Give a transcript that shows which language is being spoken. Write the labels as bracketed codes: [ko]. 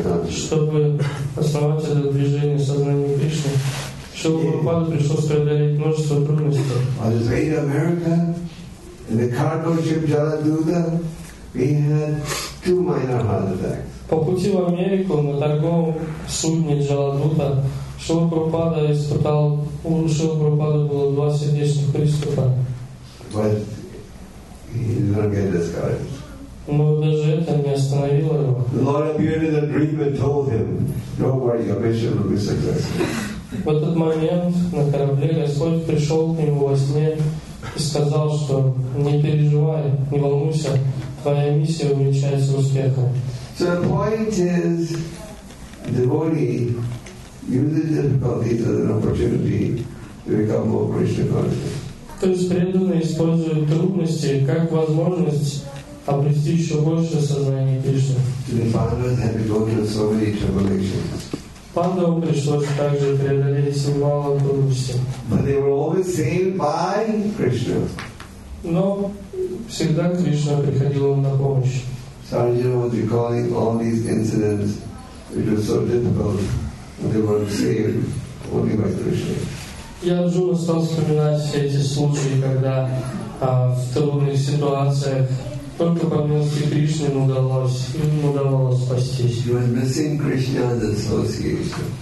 [ru] Чтобы основать это движение сознания Кришны, Шри Прабхупаде пришлось преодолеть множество трудностей. [en] In the cargo ship Jaladuta, we had two minor heart attacks. [ru] По пути в Америку на торговом судне Jaladuta Шрила Прабхупада испытал, у Шрила Прабхупады было два сердечных приступа. [en] But he did not get discouraged. [ru] Но даже это не остановило его. [en] The Lord appeared in a dream and told him, "Don't worry, your mission will be successful." [ru] В этот момент на корабле Господь пришел к нему во сне и сказал, что не переживай, не волнуйся, твоя миссия увенчается успехом. [en] So the point is, devotee uses difficulties as an opportunity to become more Krishna conscious. [ru] То есть преданный использует трудности как возможность обрести еще больше сознания Кришны. [en] The Pandavas had to go through so many tribulations. [ru] Пандавам пришлось также преодолеть немало трудностей. [en] But they were always saved by Krishna. [ru] Но всегда Кришна приходил им на помощь. [en] So Arjuna was recalling all these incidents which were so difficult, but they were saved only by Krishna. [ru] И Арджуна стал вспоминать все эти случаи, когда в трудных ситуациях только по милости Кришны им удалось спастись. [en] He was missing Krishna's association.